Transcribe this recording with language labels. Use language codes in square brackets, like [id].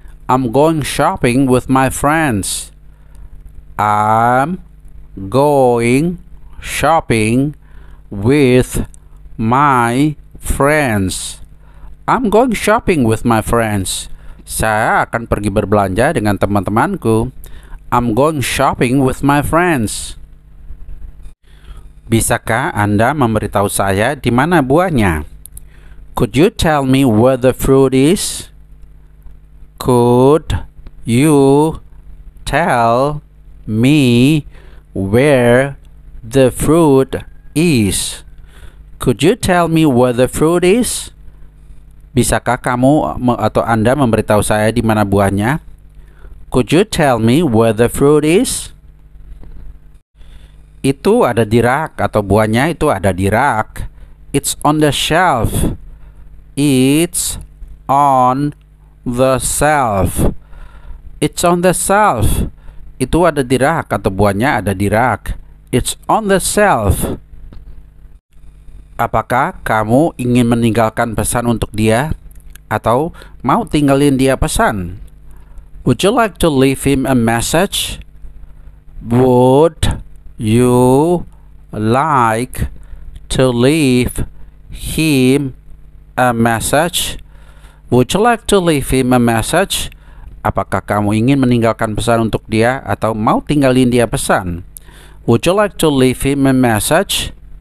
[en] I'm going shopping with my friends. I'm going shopping with my friends. I'm going shopping with my friends. [id] Saya akan pergi berbelanja dengan teman-temanku. [en] I'm going shopping with my friends. [id] Bisakah Anda memberitahu saya di mana buahnya? [en] Could you tell me where the fruit is? Could you tell me where the fruit is? Could you tell me where the fruit is? [id] Bisakah kamu atau Anda memberitahu saya di mana buahnya? [en] Could you tell me where the fruit is? [id] Itu ada di rak atau buahnya itu ada di rak. [en] It's on the shelf. It's on the shelf. It's on the shelf. [id] Itu ada di rak atau buahnya ada di rak. [en] It's on the shelf. [id] Apakah kamu ingin meninggalkan pesan untuk dia atau mau tinggalin dia pesan? [en] Would you like to leave him a message? Would you like to leave him a message? Would you like to leave him a message? [id] Apakah kamu ingin meninggalkan pesan untuk dia atau mau tinggalin dia pesan? [en] Would you like to leave him a message?